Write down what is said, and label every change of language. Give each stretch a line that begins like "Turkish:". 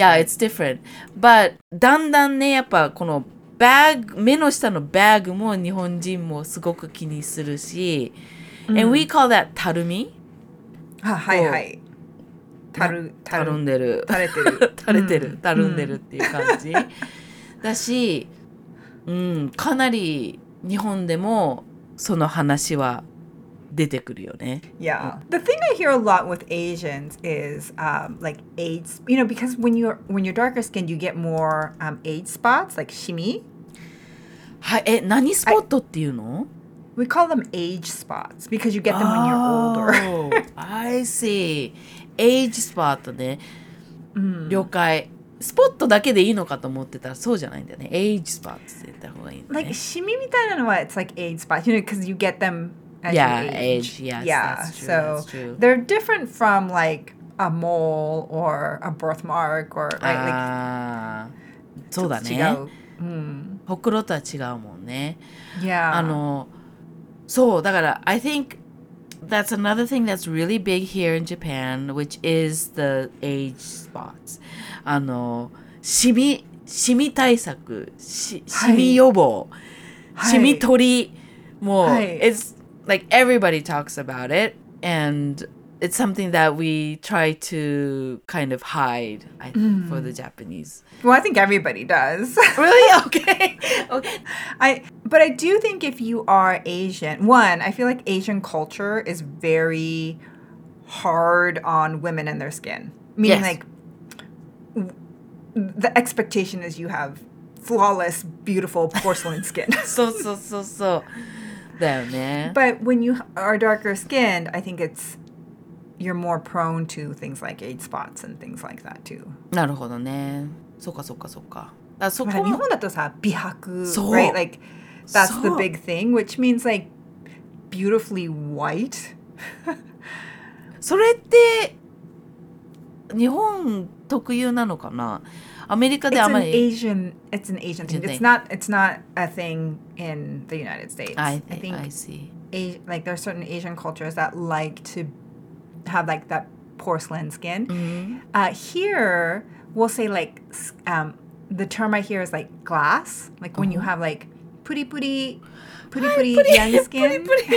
English: Yeah, it's different. But
Japanese: だんだんね、やっぱこの Bag, 目の下のバッグも日本人もすごく気にするし、
English: and we call that
Japanese: たるみ。たるんでる。垂れてる。垂れてる。たるんでるっていう感じ。だし、かなり日本でもその話は出てくるよね。
English: Yeah. The thing I hear a lot with Asians is like age, you know, because when you're darker skinned, you get more age spots, like shimi.
Japanese: え、何スポットっていうの?
English: We call them age spots because you get them when you're older. I see. Age spot ね。
Japanese: 了解。スポットだけでいいのかと思ってたらそうじゃないんだよね。 Age spots って言った方がいいね。
English: Like
Japanese: シミみたいなのは
English: it's like age spots, you know, because you get themAs yeah, age. Yes, yeah. That's true, so that's true. They're different from like a mole or a birthmark or right, like.
Japanese: そうだね。ほくろとは違うもんね。
English: Yeah.
Japanese: そうだから
English: I think that's another thing that's really big here in Japan, which is the age spots.
Japanese: あの、シミ、シミ対策、シミ予防、シミ取り、もう、
English: it's like everybody talks about it, and it's something that we try to kind of hide I think, for the Japanese. Well, I think everybody does. Really? Okay. Okay. But I do think if you are Asian, one, I feel like Asian culture is very hard on women and their skin. Meaning, yes. like, the expectation is you have flawless, beautiful porcelain skin. So. That, man. But when you are darker skinned, I think it's, you're more prone to things like age spots and things like that too.
Japanese: なるほどね。そっか。だそこ、まあ、日本だとさ、美白、そう。
English: Right? Like, that's the big thing, which means like, beautifully white.
Japanese: それって、日本特有なのかな？アメリカであまり。
English: It's an Asian thing. It's not a thing in the United States. I think. Like, there are certain Asian cultures that like to have like that porcelain skin. Mm-hmm. Here we'll say like the term I hear is like glass, like when you have like puri puri young skin.